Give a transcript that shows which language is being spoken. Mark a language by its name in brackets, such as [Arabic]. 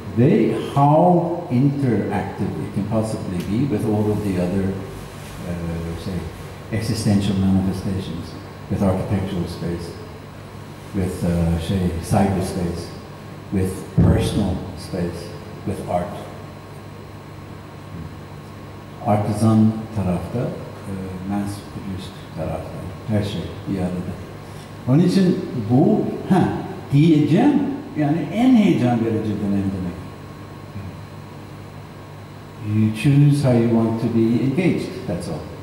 [English] Ve how interactive it can possibly be with all of the other, say, existential manifestations, with architectural space, with, say, cyberspace, with personal space, with art. [Turkish] Artisan tarafta, mass-produced tarafta, her şey bir arada. Onun için bu, diyeceğim, yani en heyecan verici dönem demek. [English] You choose how you want to be engaged, that's all.